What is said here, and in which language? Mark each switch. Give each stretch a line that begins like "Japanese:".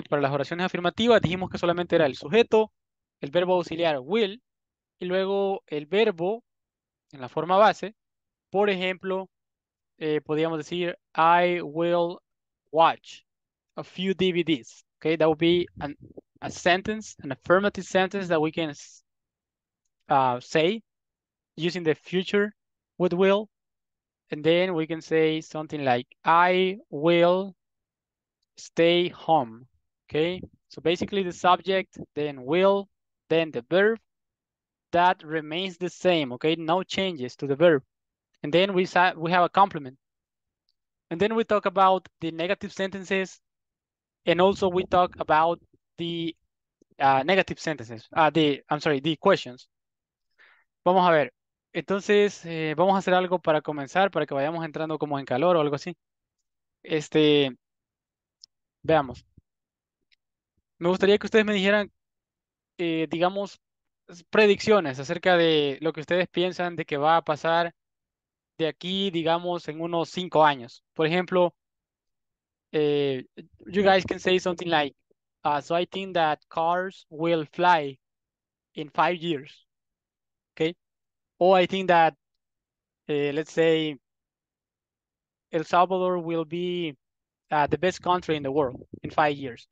Spanish: Para las oraciones afirmativas dijimos que solamente era el sujeto, el verbo auxiliar will, y luego el verbo en la forma base. Por ejemplo, podríamos decir,
English: I will watch a few DVDs, ¿ok? That would be a sentence, an affirmative sentence that we can say using the future with will. And then we can say something like, I will stay home, okay? So basically the subject, then will, then the verb, that remains the same, okay? No changes to the verb. And then we have a complement. And then we talk about the negative sentences, and also we talk about the negative sentences, the questions.
Spanish: Vamos a ver. Entonces, vamos a hacer algo para comenzar, para que vayamos entrando como en calor o algo así. Veamos. Me gustaría que ustedes me dijeran, digamos, predicciones acerca de lo que ustedes piensan de que va a pasar de aquí, digamos, en unos 5 años. Por ejemplo,
English: you guys can say something like, so I think that cars will fly in 5 years. Or I think that, let's say, El Salvador will be the best country in the world in 5 years.